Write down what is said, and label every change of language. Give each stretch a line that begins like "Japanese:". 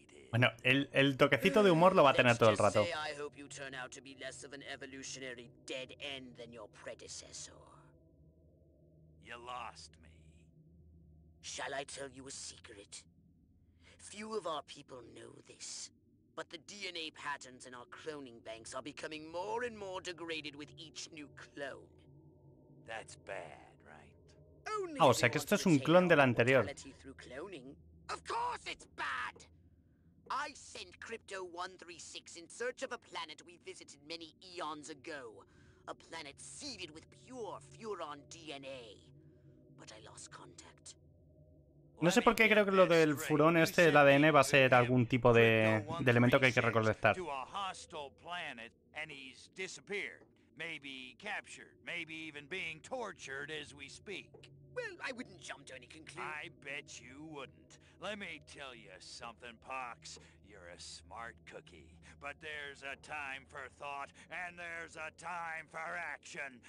Spanish: Bueno, el toquecito de humor lo va a tener todo el rato.
English: Let's just say I hope you turn out to be less of an evolutionary dead end than your predecessor. You lost me. Shall I tell you a secret? Few of our people know this. But the DNA patterns in our cloning banks are becoming more and more degraded with each new clone. That's bad, right?
Spanish: Ah, o sea que esto es un clon del anterior.
English: Of course it's bad! I sent Crypto 136 in search of a planet we visited many eons ago. A planet seeded with pure Furon DNA. But I lost contact.
Spanish: No sé por qué creo que lo del furón este, el ADN, va a ser algún tipo de elemento que hay que recolectar.
English: Maybe captured, maybe even being tortured as we speak. Well, I wouldn't jump to any conclusion. I bet you wouldn't. Let me tell you something, Pox. You're a smart cookie. But there's a time for thought, and there's a time for action.